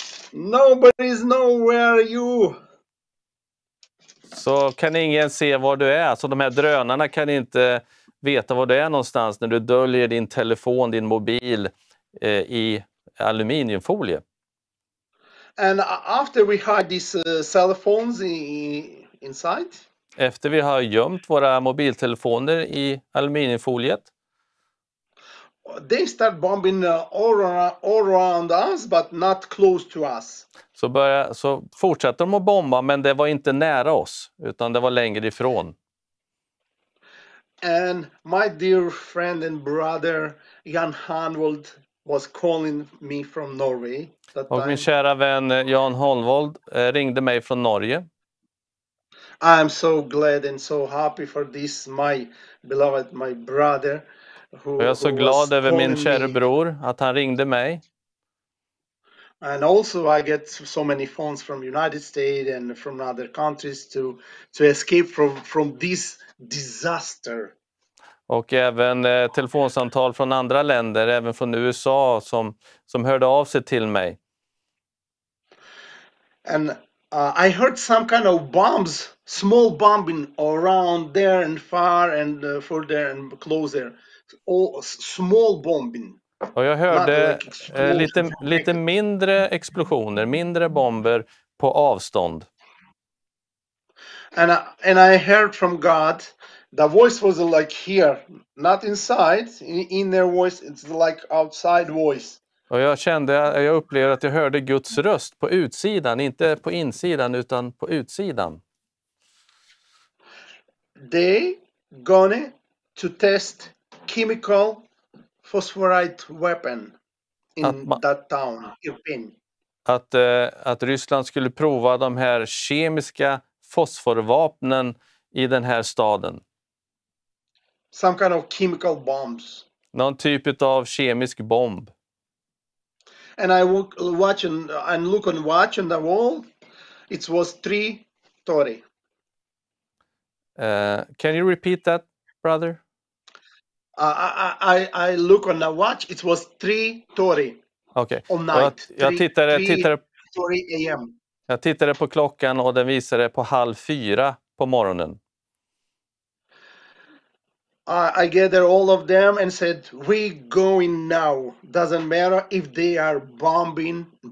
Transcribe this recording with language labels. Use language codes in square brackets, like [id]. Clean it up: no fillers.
[en] Nobody know where you. [sv] Så kan ingen se var du är. Så de här drönarna kan inte veta var du är någonstans när du döljer din telefon, din mobil i aluminiumfolie. [en] And after we had these cell phones inside. [sv] Efter vi har gömt våra mobiltelefoner i aluminiumfoliet. [en] They start bombing all around us, but not close to us. [sv] Så fortsätter de att bomba, men det var inte nära oss, utan det var längre ifrån. [en] And my dear friend and brother Jan Holvold was calling me from Norway. [sv] Och min kära vän Jan Holvold ringde mig från Norge. [en] I'm so glad and so happy for this, my beloved, my brother. [sv] Och jag är så glad över min kära bror att han ringde mig. [en] And also I get so many phones from United States and from other countries to escape from this disaster. [sv] Och även telefonsamtal från andra länder, även från USA, som hörde av sig till mig. [en] And I heard some kind of bombs, small bombing around there and far and further and closer. Small bombing. [sv] Och jag hörde lite mindre explosioner, mindre bomber på avstånd. [en] And I heard from God, the voice was like here, not inside, inner voice, it's like outside voice. [sv] Och jag upplevde att jag hörde Guds röst på utsidan, inte på insidan utan på utsidan. [en] They gonna to test chemical phosphorite weapon that town, Irpin. [sv] Att Ryssland skulle prova de här kemiska fosforvapnen i den här staden. [en] Some kind of chemical bombs. [sv] Någon typ av kemisk bomb. [en] And I look on watch on the wall. It was 3:30. Can you repeat that, brother? I look on the watch. It was 3:30. Okay. On night. [sv] Jag tittade 3:30 a.m. Jag tittade på klockan och den visade på 3:30 på morgonen. [en] I gather all of them and said, "We going now. Doesn't matter if they are bombing."